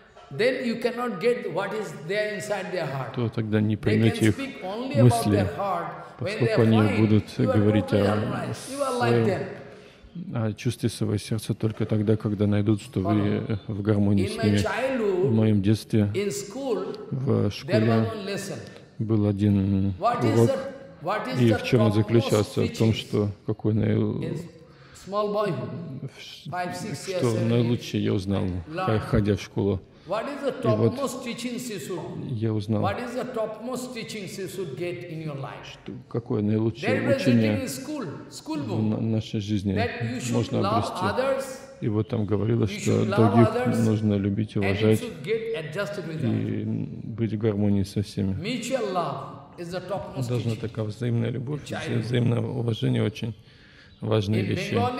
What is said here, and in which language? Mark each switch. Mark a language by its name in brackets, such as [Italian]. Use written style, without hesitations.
[English] then you cannot get what is there inside their heart. [Russian] То тогда не поймете их мысли, поскольку они будут говорить о чувстве своего сердца только тогда, когда найдут, что вы в гармонии с ними. В моем детстве в школе был один урок, и в чем он заключался? В том, что какой наилучший я узнал, ходя в школу. [English] What is the topmost teachings you should? [Russian] Я узнал. [English] What is the topmost teachings you should get in your life? [Russian] Какое наилучшее учение в нашей жизни можно обрести? И вот там говорилось, что других нужно любить и уважать и быть в гармонии со всеми. [English] Mutual love is the topmost. [Russian] Должна такая взаимная любовь, взаимное уважение очень важные вещи.